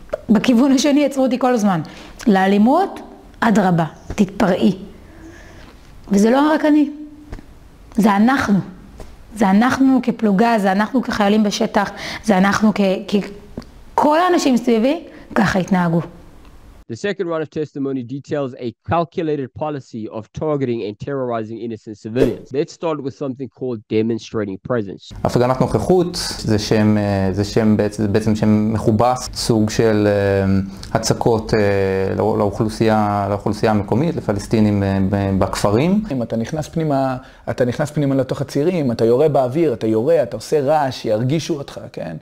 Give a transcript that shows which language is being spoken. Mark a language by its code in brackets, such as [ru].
[he] בכיוון השני יצרו אותי כל הזמן. לאלימות, עד רבה, תתפרעי. וזה לא רק אני, זה אנחנו. זה אנחנו כפלוגה, זה אנחנו כחיילים בשטח, זה אנחנו כל האנשים סביבי, ככה התנהגו. [en] The second round of testimony details a calculated policy of targeting and terrorizing innocent civilians. Let's start with something called demonstrating presence. [he] הפגנת נוכחות זה שם, בעצם שם מכובס, סוג של הצקות לאוכלוסייה המקומית, לפלסטינים בכפרים. אם אתה נכנס פנימה לתוך הצעירים, אתה יורה באוויר, אתה יורה, אתה עושה רעש, ירגישו אותך, כן?